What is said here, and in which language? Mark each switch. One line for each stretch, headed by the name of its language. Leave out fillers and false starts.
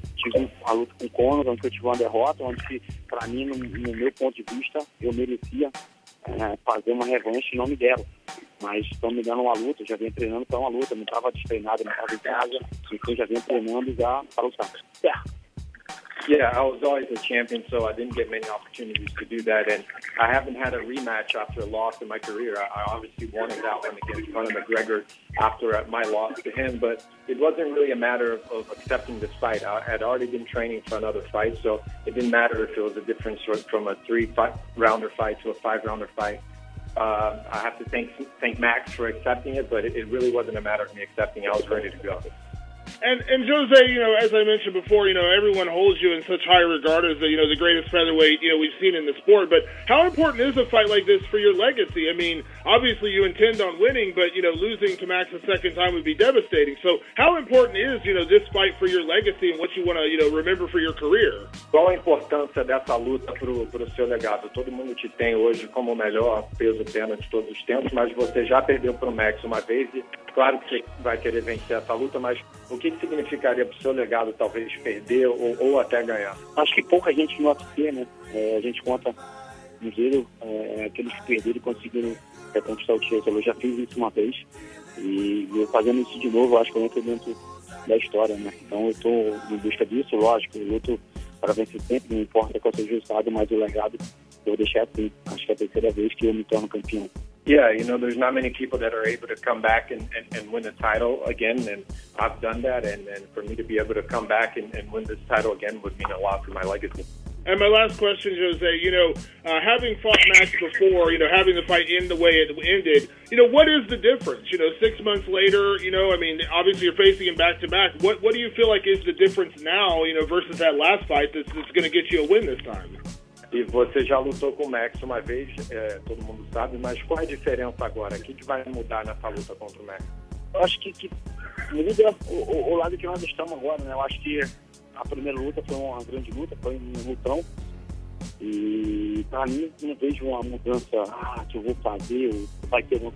Portuguese: Tive uma luta com o Conor, onde eu tive uma derrota, onde para mim, no meu ponto de vista, eu merecia fazer uma revanche em nome dela. Mas estão me dando uma luta, já vim treinando para uma luta, não estava destreinado, não estava em casa, então já vim treinando já para lutar.
English: Yeah, I was always a champion, so I didn't get many opportunities to do that, and I haven't had a rematch after a loss in my career. I obviously wanted that one against Conor McGregor after my loss to him, but it wasn't really a matter of accepting this fight. I had already been training for another fight, so it didn't matter if it was a difference from a 3-rounder fight to a 5-rounder fight. I have to thank Max for accepting it, but it really wasn't a matter of me accepting it. I was ready to go. And Jose, you know, as I mentioned before, you know, everyone holds you in such high regard as, you know, the greatest featherweight, you know, we've seen in the sport. But how important is a fight like this for your legacy? I mean, obviously you intend on winning, but, you know, losing to Max a second time would be devastating. So how important is, you know, this fight for your legacy and what you want to, you know, remember for your career?
Portuguese: Qual a importância dessa luta pro seu legado? Todo mundo te tem hoje como o melhor peso pena de todos os tempos, mas você já perdeu pro Max uma vez e... Claro que você vai querer vencer essa luta, mas o que significaria para o seu legado talvez perder ou até ganhar? Acho que pouca gente no UFC, né? A gente conta, no zero, aqueles que perderam e conseguiram reconquistar o título. Eu já fiz isso uma vez e fazendo isso de novo, acho que eu entro dentro da história, né? Então eu estou em busca disso, lógico, eu luto para vencer sempre, não importa qual seja o resultado, mas o legado eu vou deixar assim. Acho que é a terceira vez que eu me torno campeão.
English: Yeah, you know, there's not many people that are able to come back and win the title again, and I've done that, and for me to be able to come back and win this title again would mean a lot for my legacy. And my last question, Jose, you know, having fought Max before, you know, having the fight end the way it ended, you know, what is the difference? You know, 6 months later, you know, I mean, obviously you're facing him back-to-back. What do you feel like is the difference now, you know, versus that last fight that's going to get you a win this time?
Portuguese: E você já lutou com o Max uma vez, todo mundo sabe, mas qual é a diferença agora? O que vai mudar nessa luta contra o Max? Eu acho que muda o lado que nós estamos agora, né? Eu acho que a primeira luta foi uma grande luta, foi um lutão. E para mim, não vejo uma mudança, que eu vou fazer, vai ter um...